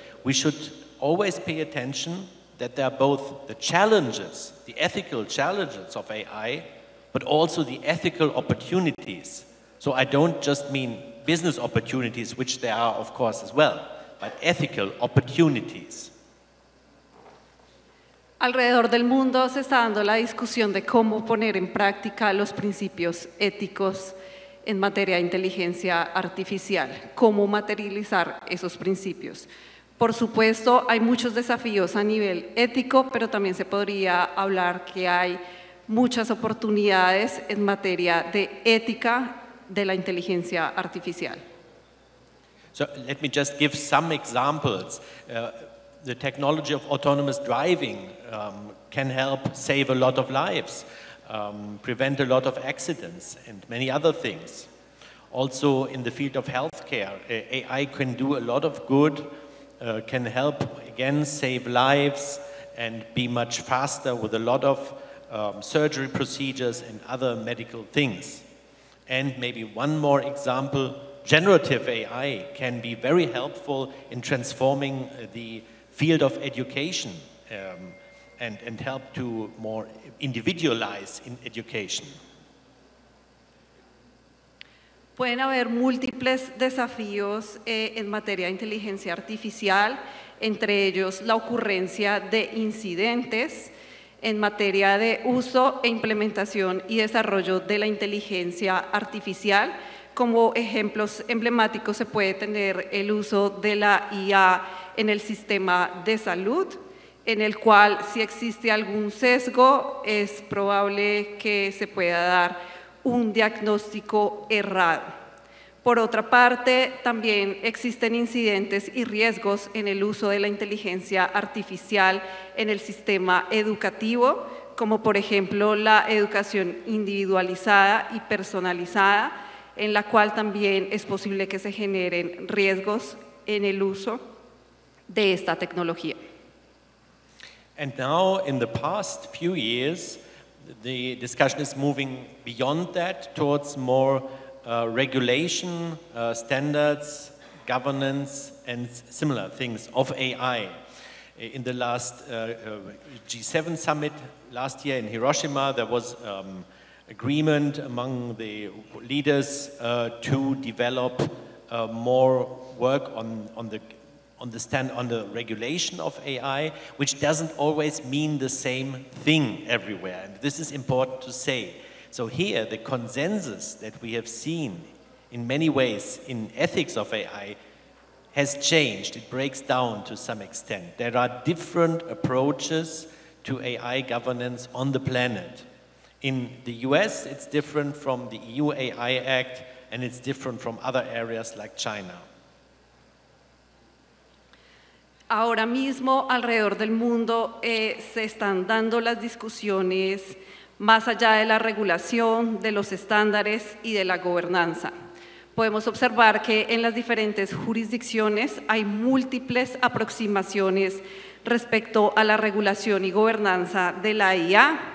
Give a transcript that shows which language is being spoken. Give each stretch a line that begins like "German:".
English: We should always pay attention that there are both the challenges, the ethical challenges of AI, but also the ethical opportunities. So I don't just mean business opportunities, which there are, of course, as well, but ethical opportunities.
Spanish: Alrededor del mundo se está dando la discusión de cómo poner en práctica los principios éticos en materia de inteligencia artificial, cómo materializar esos principios. Por supuesto, hay muchos desafíos a nivel ético, pero también se podría hablar que hay muchas oportunidades en materia de ética de la inteligencia artificial.
English: So, let me just give some examples. The technology of autonomous driving can help save a lot of lives. Prevent a lot of accidents and many other things. Also in the field of healthcare, AI can do a lot of good, can help again save lives and be much faster with a lot of surgery procedures and other medical things. And maybe one more example, generative AI can be very helpful in transforming the field of education. And help to more individualize in education.
Spanish: Pueden haber múltiples desafíos en materia de inteligencia artificial, entre ellos la ocurrencia de incidentes en materia de uso e implementación y desarrollo de la inteligencia artificial. Como ejemplos emblemáticos se puede tener el uso de la IA en el sistema de salud, en el cual si existe algún sesgo, es probable que se pueda dar un diagnóstico errado. Por otra parte, también existen incidentes y riesgos en el uso de la inteligencia artificial en el sistema educativo, como por ejemplo la educación individualizada y personalizada, en la cual también es posible que se generen riesgos en el uso de esta tecnología.
English: And now, in the past few years, the discussion is moving beyond that towards more regulation, standards, governance, and similar things of AI. In the last G7 summit last year in Hiroshima, there was agreement among the leaders to develop more work on the regulation of AI, which doesn't always mean the same thing everywhere. And this is important to say. So here, the consensus that we have seen in many ways in ethics of AI has changed. It breaks down to some extent. There are different approaches to AI governance on the planet. In the US, it's different from the EU AI Act, and it's different from other areas like China.
Spanish: Ahora mismo, alrededor del mundo, se están dando las discusiones más allá de la regulación, de los estándares y de la gobernanza. Podemos observar que en las diferentes jurisdicciones hay múltiples aproximaciones respecto a la regulación y gobernanza de la IA.